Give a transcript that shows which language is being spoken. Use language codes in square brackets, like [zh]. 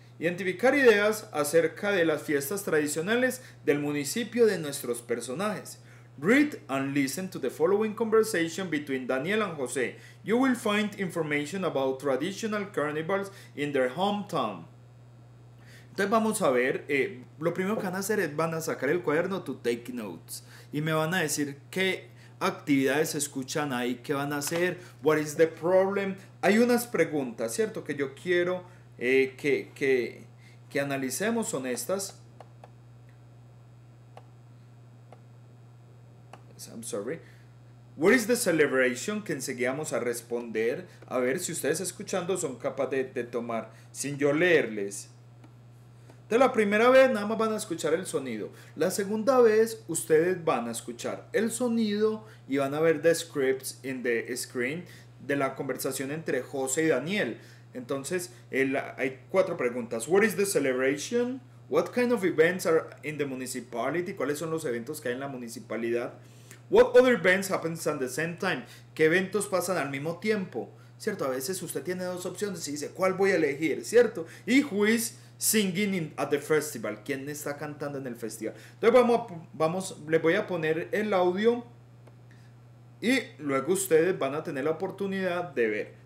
[es] Identificar ideas acerca de las fiestas tradicionales del municipio de nuestros personajes. [en] Read and listen to the following conversation between Daniel and José. You will find information about traditional carnivals in their hometown. [es] Entonces vamos a ver, lo primero que van a hacer es van a sacar el cuaderno [en] to take notes. [es] Y me van a decir qué actividades escuchan ahí, qué van a hacer, [en] what is the problem. [es] Hay unas preguntas, ¿cierto? Que yo quiero que analicemos, son estas. [en] I'm sorry. What is the celebration? [es] Que enseguida vamos a responder. A ver si ustedes escuchando son capaces de tomar, sin yo leerles. De la primera vez nada más van a escuchar el sonido. La segunda vez ustedes van a escuchar el sonido y van a ver [en] the scripts in the screen [es] de la conversación entre José y Daniel. Entonces, hay cuatro preguntas. [en] What is the celebration? What kind of events are in the municipality? [es] ¿Cuáles son los eventos que hay en la municipalidad? [en] What other events happen at the same time? [es] ¿Qué eventos pasan al mismo tiempo? ¿Cierto? A veces usted tiene dos opciones y dice, ¿cuál voy a elegir? ¿Cierto? Y [en] who is singing at the festival? [es] ¿Quién está cantando en el festival? Entonces, le voy a poner el audio y luego ustedes van a tener la oportunidad de ver.